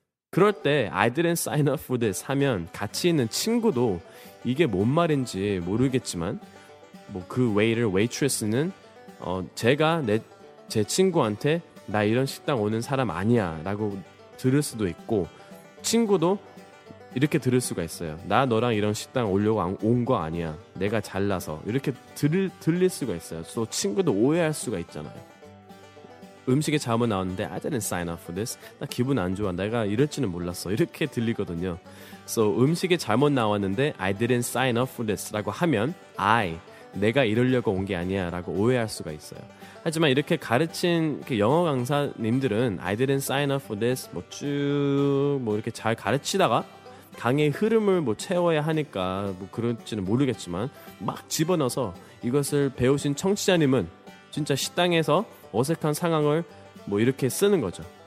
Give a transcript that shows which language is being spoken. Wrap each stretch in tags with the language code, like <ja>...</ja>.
<ko>그럴 때</ko> <en>I didn't sign up for this</en> <ko>하면 같이 있는 친구도 이게 뭔 말인지 모르겠지만 뭐 그 waiter, waitress는 제가 제 친구한테 나 이런 식당 오는 사람 아니야 라고 들을 수도 있고, 친구도 이렇게 들을 수가 있어요. 나 너랑 이런 식당 오려고 온 거 아니야, 내가 잘나서 이렇게 들릴 수가 있어요. 또 친구도 오해할 수가 있잖아요. 음식에 잘못 나왔는데</ko> <en>I didn't sign up for this.</en> <ko>나 기분 안 좋아. 내가 이럴지는 몰랐어. 이렇게 들리거든요.</ko> <en>So</en> <ko>음식에 잘못 나왔는데</ko> <en>I didn't sign up for this</en> <ko>라고 하면</ko> <en>I,</en> <ko>내가 이러려고 온 게 아니야 라고 오해할 수가 있어요. 하지만 이렇게 가르친 그 영어 강사님들은</ko> <en>I didn't sign up for this</en> <ko>뭐 쭉 뭐 이렇게 잘 가르치다가 강의 흐름을 뭐 채워야 하니까 뭐 그럴지는 모르겠지만 막 집어넣어서 이것을 배우신 청취자님은 진짜 식당에서 어색한 상황을 뭐 이렇게 쓰는 거죠.</ko>